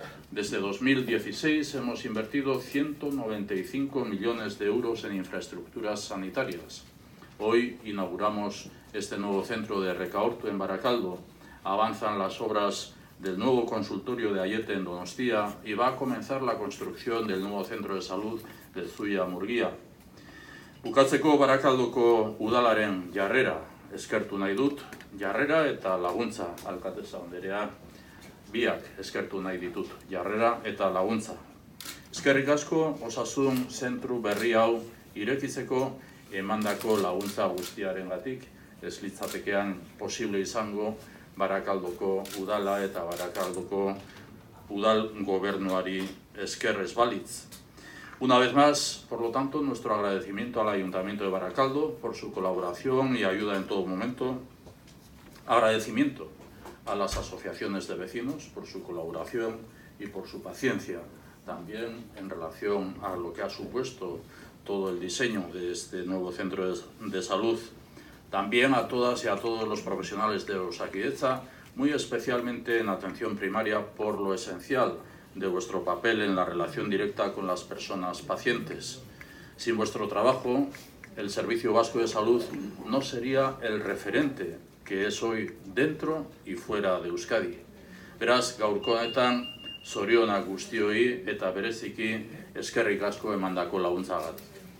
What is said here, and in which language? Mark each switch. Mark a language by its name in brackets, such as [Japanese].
[Spanish] Desde 2016 hemos invertido 195 millones de euros en infraestructuras sanitarias. Hoy inauguramos este nuevo centro de Recaortu en Baracaldo. Avanzan las obras del nuevo consultorio de Aiete en Donostia y va a comenzar la construcción del nuevo centro de salud de Zuia Murgia. [Basque] Bukatzeko Barakaldoko udalaren jarrera eskertu nahi dut, jarrera eta laguntza, alkatesa onderea, biak eskertu nahi ditut, jarrera eta laguntza. Eskerrik asko osasun zentru berri hau irekitzeko emandako laguntza guztiarengatik, ez litzatekean posible izango Barakaldoko udala eta Barakaldoko udal gobernuari eskerrez balitz. [Spanish] Una vez más, por lo tanto, nuestro agradecimiento al Ayuntamiento de Baracaldo por su colaboración y ayuda en todo momento. Agradecimiento a las asociaciones de vecinos por su colaboración y por su paciencia también en relación a lo que ha supuesto todo el diseño de este nuevo centro de salud. También a todas y a todos los profesionales de Osakidetza, muy especialmente en atención primaria, por lo esencial de vuestro papel en la relación directa con las personas pacientes. Sin vuestro trabajo, el Servicio Vasco de Salud no sería el referente que es hoy dentro y fuera de Euskadi. [Basque] Beraz, gaurko honetan, zorionak guztioi eta bereziki eskerrik asko emandako laguntzagatik.